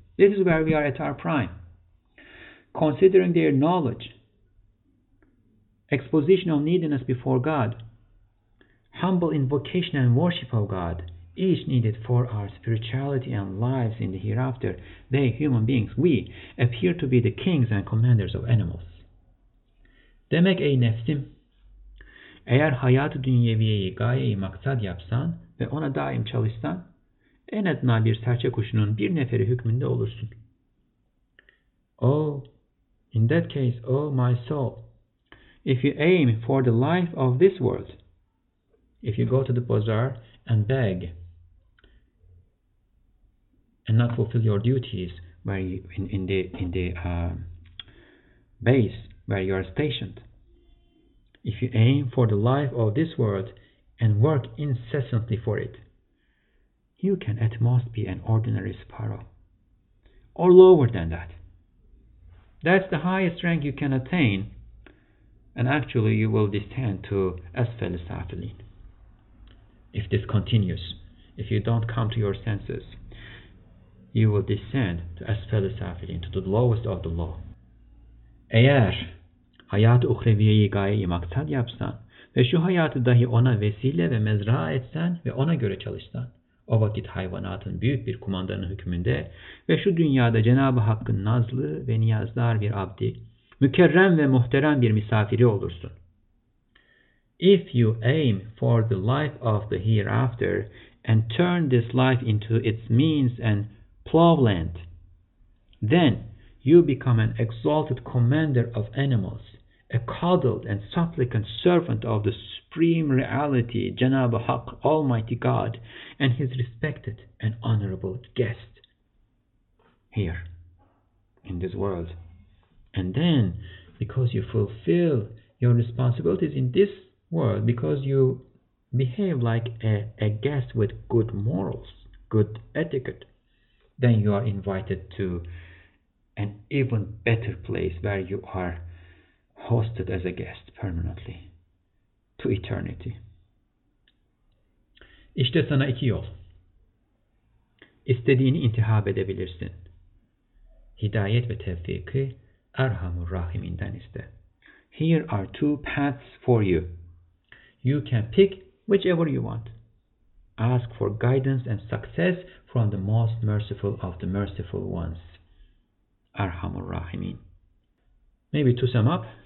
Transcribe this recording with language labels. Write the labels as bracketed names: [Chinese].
[English] This is where we are at our prime. Considering their knowledge, exposition of neediness before God, humble invocation and worship of God, each needed for our spirituality and lives in the hereafter, they, human beings, we, appear to be the kings and commanders of animals. [Turkish] Demek ey nefsim, eğer hayat-ı dünyeviyeyi gayeyi maksat yapsan ve ona daim çalışsan, en adına bir serçe kuşunun bir neferi hükmünde olursun. [English] Oh, in that case, oh my soul, if you aim for the life of this world, if you go to the bazaar and beg and not fulfill your duties where you, in the base where you are stationed, if you aim for the life of this world and work incessantly for it, you can at most be an ordinary sparrow or lower than that. That's the highest rank you can attain, and actually you will descend to asfal safilin. If this continues, if you don't come to your senses, you will descend to asfal safilin, to the lowest of the low. [Turkish] Eğer hayat-ı uhreviyeyi gayeyi maksat yapsan ve şu hayatı dahi ona vesile ve mezra etsen ve ona göre çalışsan, o vakit hayvanatın büyük bir kumandanın hükmünde ve şu dünyada Cenab-ı Hakk'ın nazlı ve niyazdar bir abdi, mükerrem ve muhterem bir misafiri olursun. [English] If you aim for the life of the hereafter and turn this life into its means and plowland, then you become an exalted commander of animals, a coddled and supplicant servant of the supreme reality, Janab-ı Hak, Almighty God, and His respected and honorable guest here in this world. And then, because you fulfill your responsibilities in this world, because you behave like a guest with good morals, good etiquette, then you are invited to an even better place where you are hosted as a guest permanently to eternity. [Turkish] İşte sana iki yol. İstediğini intihab edebilirsin. Hidayet ve tevfiki Erhamur Rahim'inden iste. [English] Here are two paths for you. You can pick whichever you want. Ask for guidance and success from the most merciful of the merciful ones. Erhamur Rahimin. Maybe to sum up,